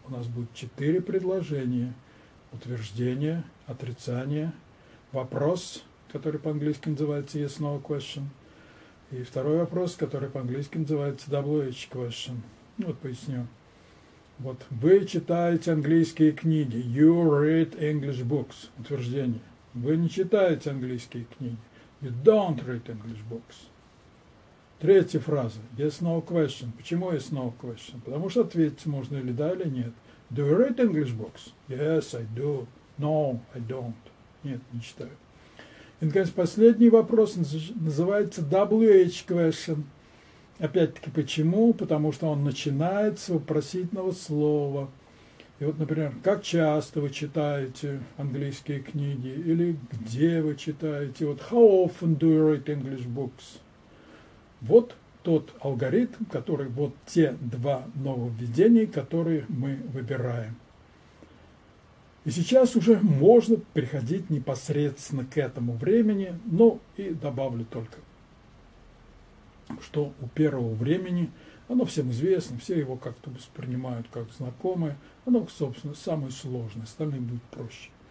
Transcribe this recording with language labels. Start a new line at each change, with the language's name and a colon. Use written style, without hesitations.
Russian: У нас будет 4 предложения. Утверждение, отрицание, вопрос, который по-английски называется
English: «yes, no question».
Russian: И второй вопрос, который по-английски называется WH question. Вот поясню. Вот вы читаете английские книги.
English: You read English books.
Russian: Утверждение. Вы не читаете английские книги.
English: You don't read English books.
Russian: Третья фраза.
English: Yes, no question.
Russian: Почему
English: yes, no question?
Russian: Потому что ответить можно или да, или нет.
English: Do you read English books? Yes, I do. No, I don't.
Russian: Нет, не читаю. И, наконец, последний вопрос называется WH question. Опять-таки, почему? Потому что он начинается с вопросительного слова. И вот, например, как часто вы читаете английские книги? Или где вы читаете?
English: Вот how often do you read English books?
Russian: Вот тот алгоритм, который, вот те 2 нововведения, которые мы выбираем. И сейчас уже можно переходить непосредственно к этому времени. Ну, и добавлю только, что у первого времени, оно всем известно, все его как-то воспринимают как знакомое, оно, собственно, самое сложное, остальное будет проще.